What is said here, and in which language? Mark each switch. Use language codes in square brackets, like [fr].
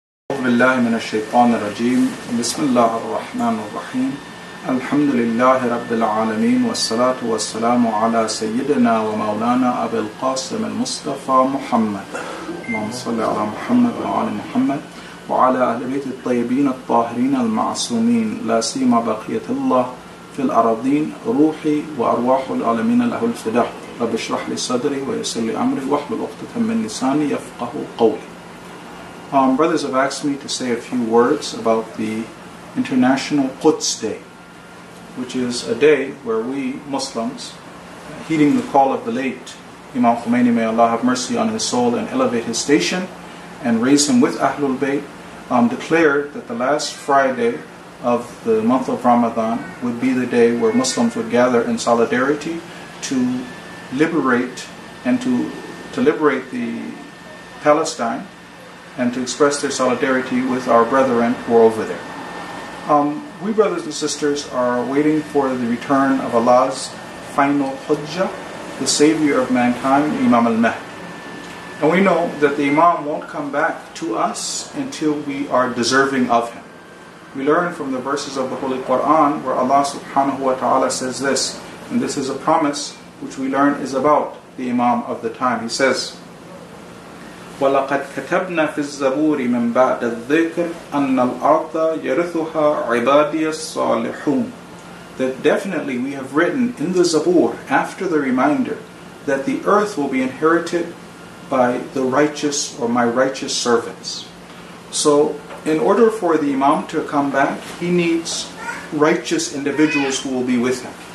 [ar] أعوذ بالله من الشيطان الرجيم بسم الله الرحمن الرحيم الحمد لله رب العالمين والصلاة والسلام على سيدنا ومولانا أبي القاسم المصطفى محمد اللهم صل على محمد وعلى محمد وعلى أهل بيت الطيبين الطاهرين المعصومين لا سيما بقية الله في الأرضين روحي وأرواح العالمين له الفداء رب اشرح لي صدري ويسر لي أمري واحلل عقدة من لساني يفقه قولي. [en] Brothers have asked me to say a few words about the International Quds Day, which is a day where we Muslims, heeding the call of the late Imam Khomeini, may Allah have mercy on his soul and elevate his station and raise him with Ahlul Bayt, declared that the last Friday of the month of Ramadan would be the day where Muslims would gather in solidarity to liberate and to liberate the Palestine and to express their solidarity with our brethren who are over there. We brothers and sisters are waiting for the return of Allah's final Hujjah, the Savior of mankind, Imam al-Mahd. And we know that the Imam won't come back to us until we are deserving of him. We learn from the verses of the Holy Quran where Allah subhanahu wa ta'ala says this, and this is a promise which we learn is about the Imam of the time. He says, [ar] وَلَقَدْ كَتَبْنَا فِي الزَّبُورِ مِنْ بَعْدَ الذِّكْرِ أَنَّ الْأَرْضَ يَرِثُهَا عِبَادِيَ الصَّالِحُونَ. [en] That definitely we have written in the Zabur, after the reminder, that the earth will be inherited by the righteous or my righteous servants. So in order for the Imam to come back, he needs righteous individuals who will be with him.